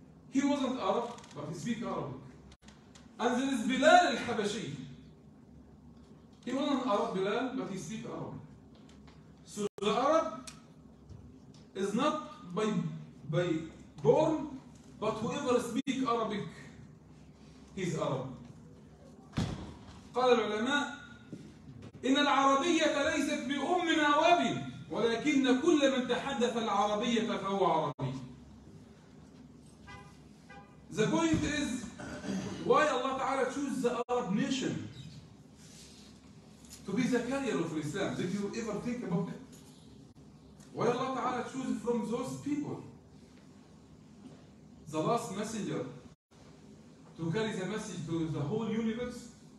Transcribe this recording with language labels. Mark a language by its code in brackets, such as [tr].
[en] He wasn't Arab, but he speaks Arabic. And there is Bilal al-Habashi. He wasn't Arab, Bilal, but he speaks Arab. So the Arab is not by born, but whoever speaks Arabic, he's Arab. [ar] قال العلماء إن العربية ليست بأمنا وابي ولكن كل من تحدث العربية فهو عربي. [en] The point is why Allah Ta'ala chose the Arab nation to be the carrier of Islam. Did you ever think about it? Why Allah Ta'ala choose from those people the last messenger to carry the message to the whole universe?